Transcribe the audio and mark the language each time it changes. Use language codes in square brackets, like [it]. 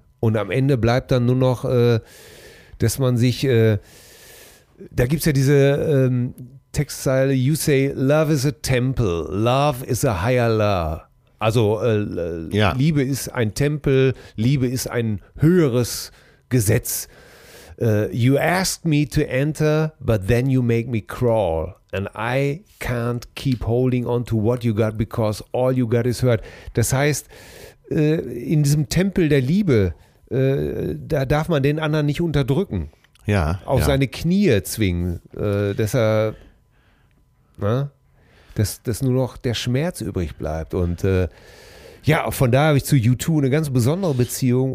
[de] Und am Ende bleibt dann nur noch, dass man sich, da gibt's ja diese Textzeile, [en] you say, love is a temple, love is a higher law. [de] Also ja. Liebe ist ein Tempel, Liebe ist ein höheres Gesetz. [en] You ask me to enter, but then you make me crawl. And I can't keep holding on to what you got, because all you got is hurt. [de] Das heißt, in diesem Tempel der Liebe, da darf man den anderen nicht unterdrücken. Ja. Auf ja. seine Knie zwingen, dass er, ne? Dass nur noch der Schmerz übrig bleibt. Und ja, von daher habe ich zu U2 eine ganz besondere Beziehung.